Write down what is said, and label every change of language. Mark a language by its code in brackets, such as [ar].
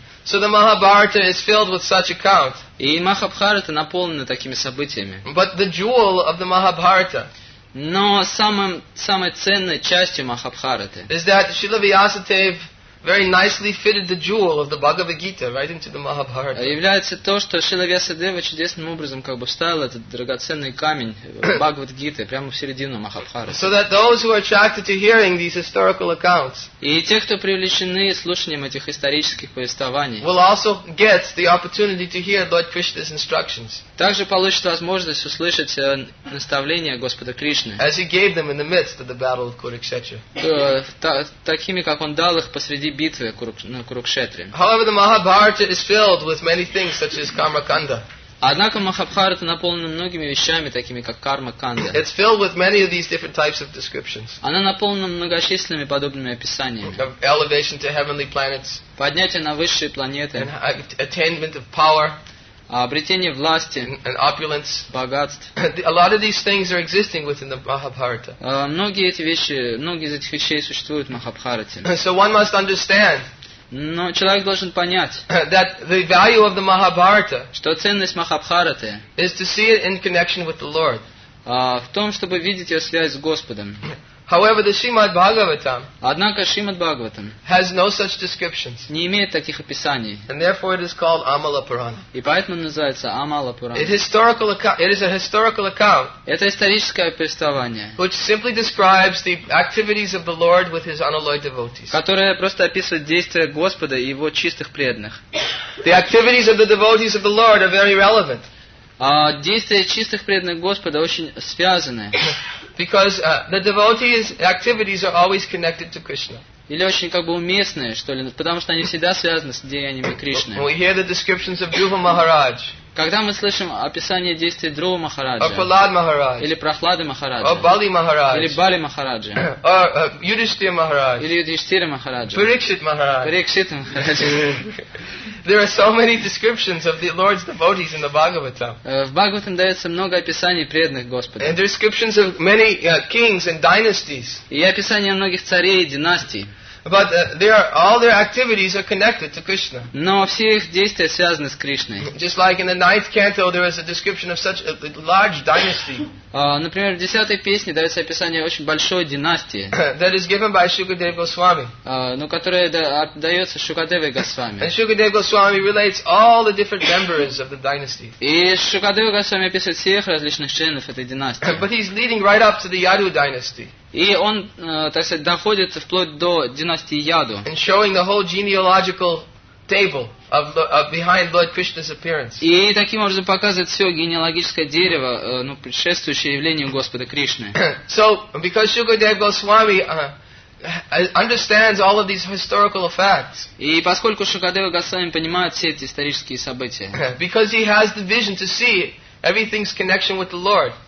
[en] So the Mahabharata is filled with such account. [ru] И Махабхарата наполнена такими событиями. [en] But the jewel of the Mahabharata, [ru] но самой ценной частью Махабхараты, [en] is that Śrīla Vyāsadeva very nicely fitted the jewel of the Bhagavad Gita right into the Mahabharata. [ru] Является то, что Шрила Вьясадева чудесным образом как бы вставил этот драгоценный камень Бхагавад Гиты прямо в середину Махабхараты. [en] So that those who are attracted to hearing these historical accounts, [ru] и те, кто привлечены слушанием этих исторических повествований, [en] will also get the opportunity to hear Lord Krishna's instructions. [ru] Также получат возможность услышать наставления Господа Кришны, [en] as he gave them in the midst of the battle of Kurukshetra. [ru] Такими, как он дал их посреди битвы на Курукшетре. [en] However, the Mahabharata is filled with many things such as karma kanda. [ru] Однако Махабхарата наполнена многими вещами, такими как карма канда. [en] It's filled with many of these different types of descriptions. [ru] Она наполнена многочисленными подобными описаниями. [en] Of elevation to heavenly planets. [ru] Поднятие на высшие планеты. [en] And attainment of power. [ru] Обретение власти, [en] and opulence, [ru] богатств. [en] A lot of these things are existing within the Mahabharata. [ru] Многие из этих вещей существуют в Махабхарате. [en] So one must understand. [ru] Но человек должен понять, [en] that the value of the Mahabharata, [ru] что ценность Махабхараты, [en] is to see it in connection with the Lord. [ru] В том, чтобы видеть ее связь с Господом. [en] However, the Srimad Bhagavatam, [ru] однако Srimad Bhagavatam, [en] has no such descriptions, [ru] не имеет таких описаний, [en] and therefore it is called Amala Purana. [ru] И поэтому называется Амала Пурана. [en] It is a historical account. [ru] Это историческое повествование, [en] which simply describes the activities of the Lord with his unalloyed devotees, [ru] которое просто описывает действия Господа и его чистых преданных. [en] The activities of the devotees of the Lord are very relevant. [ru] Действия чистых преданных Господа очень связаны. [en] Because the devotee's activities are always connected to Krishna. [ru] Или очень как бы уместные, что ли, потому что они всегда связаны с деяниями Кришны. [en] We hear the descriptions of Dhruva Maharaj. [ru] Когда мы слышим описание действий Друва Махараджа, [en] or Prahlad Maharaj, [ru] или Прахлады Махараджа, [en] or Bali Maharaj, [ru] или Бали Махараджа, [en] or Yudhishthira Maharaj, [ru] или Юдхиштхира Махараджа, [en] Parikshit Maharaj, [ru] Parikshita Махараджа. [en] There are so many descriptions of the Lord's devotees in the Bhagavatam. [ru] В Бхагаватам дается много описаний преданных Господа. [en] And descriptions of many kings and dynasties. [ru] И описание многих царей и династий. [en] But all their activities are connected to Krishna. [ru] Но все их действия связаны с Кришной. [en] Just like in the ninth canto, there is a description of such a large dynasty. [ru] Например, в десятой песне дается описание очень большой династии. [en] That is given by Shukadev Goswami. [ru] Но которая дается Шукадевой Госвами. [en] And Shukadev Goswami relates all the different members of the dynasty. [ru] И Шукадева Госвами описывает всех различных членов этой династии. [en] But he's leading right up to the Yadu dynasty. [ru] И он, так сказать, доходит вплоть до династии Яду. [en] And showing the whole genealogical table of behind Lord Krishna's appearance. [ru] И таким образом показывает все генеалогическое дерево, предшествующее явлению Господа Кришны. [en] So, because Shukadev Goswami understands all of these historical facts. [ru] И поскольку Шукадева Госвами понимает все эти исторические события. [en] Because he has the vision to see everything's connection with the Lord.